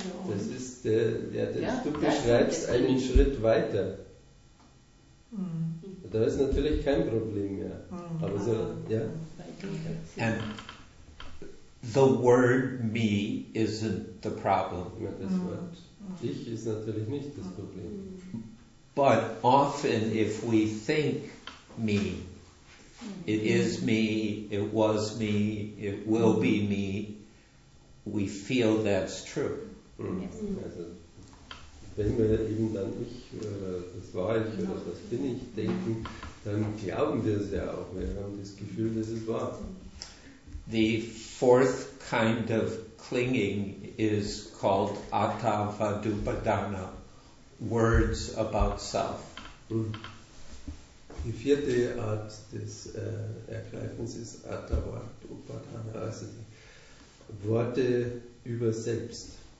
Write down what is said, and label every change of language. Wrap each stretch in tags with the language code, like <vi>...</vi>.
<de>Das ist du beschreibst einen Schritt weiter. Da ist natürlich kein Problem mehr. Aber so, ja.</de> <en>And the word me isn't the problem.</en> <de>Das Wort ich ist natürlich nicht das Problem.</de> <en>But often if we think me, it is me, it was me, it will be me, we feel that's true.</en> <de>Wenn wir eben dann ich oder das war ich oder das bin ich denken, dann glauben wir es ja auch. Wir haben das Gefühl, dass es wahr.</de> <en>The fourth kind of clinging is called Atavadupadana, words about self.</en> <de>Die vierte Art des Ergreifens ist Atavadupadana, also die Worte über selbst.</de>